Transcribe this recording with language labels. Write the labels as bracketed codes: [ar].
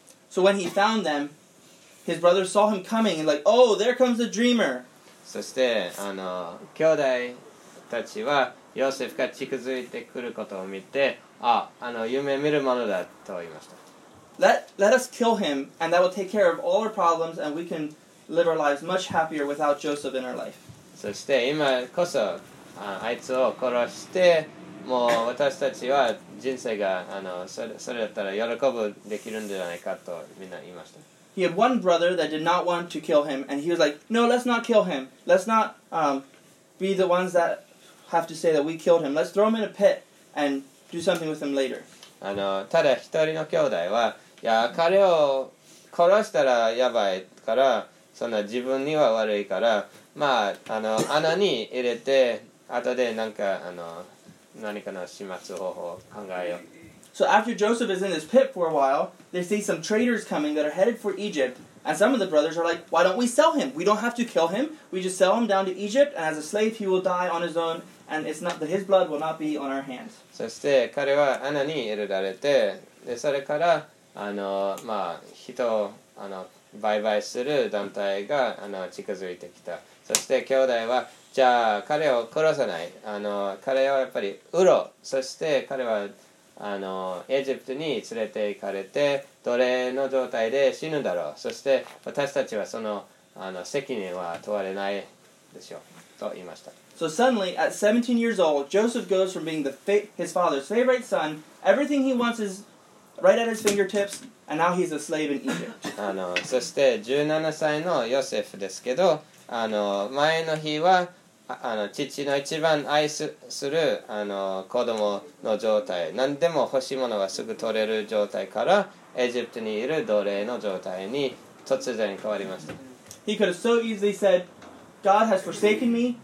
[en] So when he found them, his brothers saw him coming and like, "Oh, there comes the dreamer!" [ja] そして、あの、兄弟たちは、ヨセフが近づいてくることを見て、あ、あの、夢見るものだと言いました。 [en] Let us kill him, and that will take care of all our problems, and we can live our lives much happier without Joseph in our life. [ja] そして、今こそ、あいつを殺して、もう私たちは人生が、あの、それだったら喜ぶできるんじゃないかとみんな言いました。 [en] He had one brother that did not want to kill him, and he was like, "No, let's not kill him. Let's not be the ones that have to say that we killed him. Let's throw him in a pit and do something with him later." [ja] あの、ただ一人の兄弟は、いや、彼を殺したらやばいから、そんな自分には悪いから、まあ、あの、穴に入れて、後でなんか、あの、何かの始末方法を考えよう。 [en] So after Joseph is in this pit for a while, they see some traders coming that are headed for Egypt, and some of the brothers are like, why don't we sell him? We don't have to kill him. We just sell him down to Egypt, and as a slave, he will die on his own, and it's not that his blood will not be on our hands. [ja] そして彼は穴に入れられて、でそれから、まあ、人を売買する団体が近づいてきた。そして兄弟は、じゃあ彼を殺さない。彼はやっぱり売ろう。そして彼はエジプトに連れて行かれて奴隷の状態で死ぬだろう。そして私たちはその責任は問われないでしょうと言いました。 [en] So suddenly at 17 years old Joseph goes from being his father's favorite son. Everything he wants is right at his fingertips, and now he's a slave in Egypt. [ja] そして17歳のヨセフですけど、前の日は父の一番愛する子供の状態、何でも欲しいものがすぐ取れる状態からエジプトにいる奴隷の状態に突然変わりました。 [en] He could have so easily said, God has forsaken me.